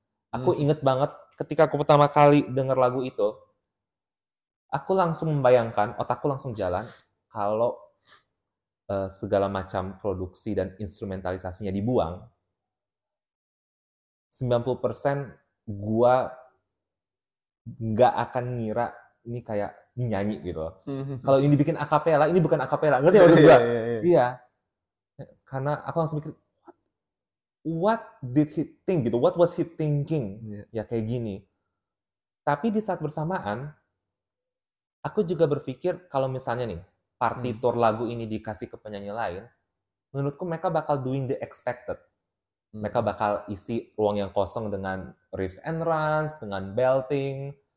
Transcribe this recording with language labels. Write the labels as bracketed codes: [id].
[id] Aku inget banget ketika aku pertama kali denger lagu itu, aku langsung membayangkan, otakku langsung jalan, kalau segala macam produksi dan instrumentalisasinya dibuang, 90% gua nggak akan ngira ini kayak nyanyi gitu. Kalau ini dibikin akapela, ini bukan akapela. Ngerti ya? Iya. Karena aku langsung mikir, [en] what did he think? Gitu. What was he thinking? Yeah. Ya kayak gini. [id] Tapi di saat bersamaan, aku juga berpikir, kalau misalnya nih, partitur lagu ini dikasih ke penyanyi lain, menurutku mereka bakal [en] doing the expected. [id] Mereka bakal isi ruang yang kosong dengan [en] riffs and runs, [id] dengan belting.